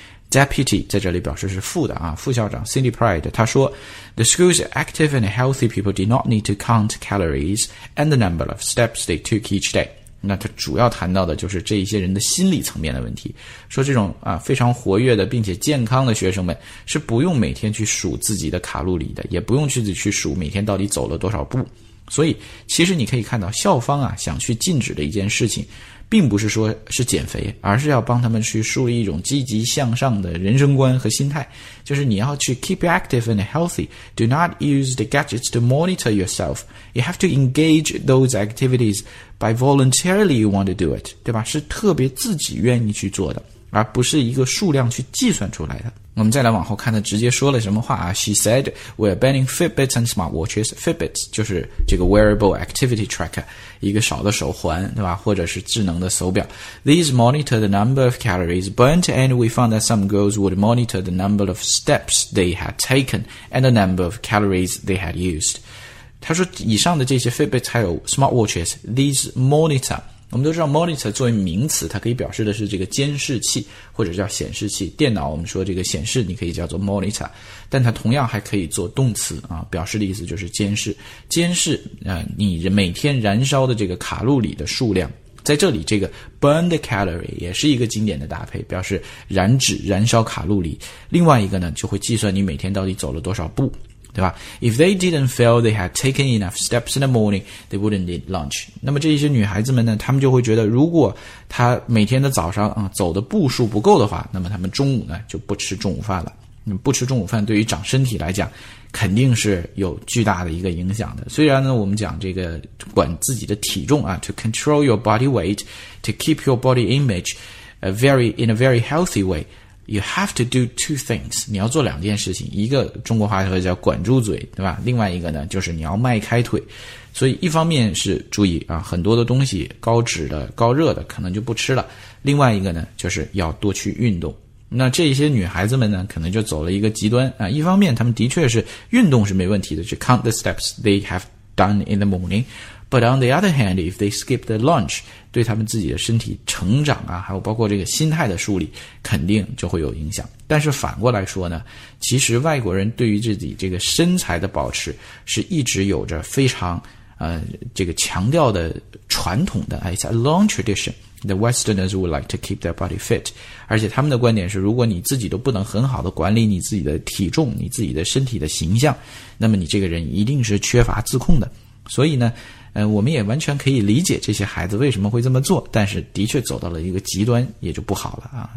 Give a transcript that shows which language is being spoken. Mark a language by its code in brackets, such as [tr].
[en] Deputy [zh] 在这里表示是副的啊，副校长 [en] Cindy Pride [zh] 他说 [en] The school's active and healthy people do not need to count calories and the number of steps they took each day。 [zh] 那他主要谈到的就是这一些人的心理层面的问题，说这种非常活跃的并且健康的学生们是不用每天去数自己的卡路里的，也不用自己去数每天到底走了多少步。所以其实你可以看到校方啊想去禁止的一件事情，并不是说是减肥，而是要帮他们去树立一种积极向上的人生观和心态，就是你要去 [en] keep active and healthy. Do not use the gadgets to monitor yourself. You have to engage those activities by voluntarily you want to do it, [zh] 对吧？是特别自己愿意去做的，而不是一个数量去计算出来的。我们再来往后看，他直接说了什么话啊 ？ [en] She said, "We're banning Fitbits and smartwatches. [zh] Fitbits 就是这个 wearable activity tracker, 一个小的手环，对吧？或者是智能的手表。 [en] These monitor the number of calories burnt, and we found that some girls would monitor the number of steps they had taken and the number of calories they had used." [zh] 他说，以上的这些 Fitbits 还有 smartwatches, [en] these monitor. [zh] 我们都知道 monitor 作为名词，它可以表示的是这个监视器或者叫显示器，电脑我们说这个显示你可以叫做 monitor, 但它同样还可以做动词啊，表示的意思就是监视，监视你每天燃烧的这个卡路里的数量。在这里这个 burn the calorie 也是一个经典的搭配，表示燃脂燃烧卡路里，另外一个呢就会计算你每天到底走了多少步，对吧？ [en] If they didn't feel they had taken enough steps in the morning, they wouldn't need lunch. [zh] 那么这些女孩子们呢，她们就会觉得如果她每天的早上走的步数不够的话，那么她们中午呢就不吃中午饭了。不吃中午饭对于长身体来讲肯定是有巨大的一个影响的。虽然呢我们讲这个管自己的体重啊 [en] to control your body weight, to keep your body image in a very healthy way,You have to do two things. [zh] 你要做两件事情，一个中国话说叫管住嘴，对吧？另外一个呢，就是你要迈开腿。所以一方面是注意啊，很多的东西高脂的、高热的可能就不吃了。另外一个呢，就是要多去运动。那这些女孩子们呢，可能就走了一个极端啊。一方面，她们的确是运动是没问题的，去 [en] count the steps they have done in the morning. But on the other hand, if they skip the lunch, [zh] 对他们自己的身体成长啊，还有包括这个心态的树立，肯定就会有影响。但是反过来说呢，其实外国人对于自己这个身材的保持是一直有着非常这个强调的传统的。 [en] It's a long tradition. The Westerners would like to keep their body fit. [zh] 而且他们的观点是，如果你自己都不能很好的管理你自己的体重，你自己的身体的形象，那么你这个人一定是缺乏自控的。所以呢我们也完全可以理解这些孩子为什么会这么做，但是的确走到了一个极端也就不好了啊。